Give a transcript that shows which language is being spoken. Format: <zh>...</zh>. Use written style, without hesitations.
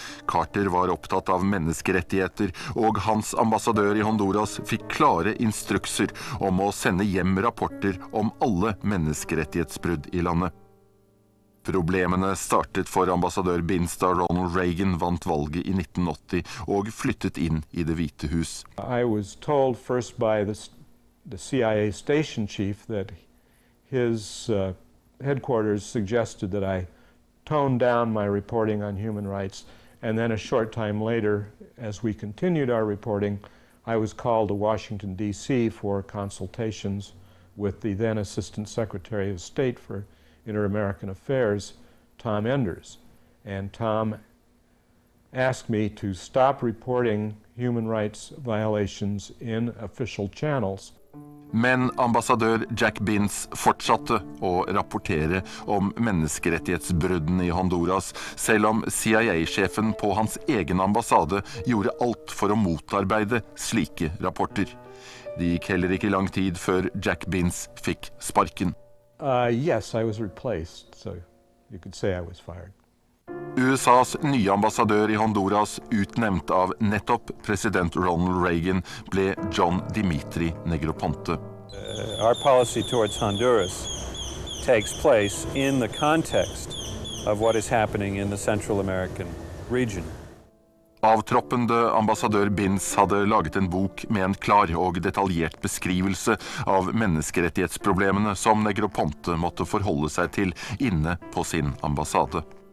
<no>Carter var opptatt av menneskerettigheter, og hans ambassadør i Honduras fikk klare instrukser om å sende hjem rapporter om alle menneskerettighetsbrudd i landet. Problemene startet for ambassadør Binns da Ronald Reagan vant valget i 1980 og flyttet inn i Det Hvite Hus.</no> <en>I was told first by the CIA station chief that His headquarters suggested that I tone down my reporting on human rights, and then a short time later, as we continued our reporting, I was called to Washington, D.C. for consultations with the then Assistant Secretary of State for Inter-American Affairs, Tom Enders. And Tom asked me to stop reporting human rights violations in official channels.</en> <no>Men ambassadør Jack Binns fortsatte å rapportere om menneskerettighetsbruddene i Honduras, selv om CIA-sjefen på hans egen ambassade gjorde alt for å motarbeide slike rapporter. Det gikk heller ikke lang tid før Jack Binns fikk sparken.</no> <en>Yes, I was replaced, so you could say I was fired.</en> <no>USAs nye ambassadør i Honduras, utnevnt av nettopp president Ronald Reagan, ble John Dimitri Negroponte.</no> <en>Our policy towards Honduras takes place in the context of what is happening in the Central American region.</en> <no>Avtroppende ambassadør Binns hadde laget en bok med en klar og detaljert beskrivelse av menneskerettighetsproblemene som Negroponte måtte forholde seg til inne på sin ambassade.</no>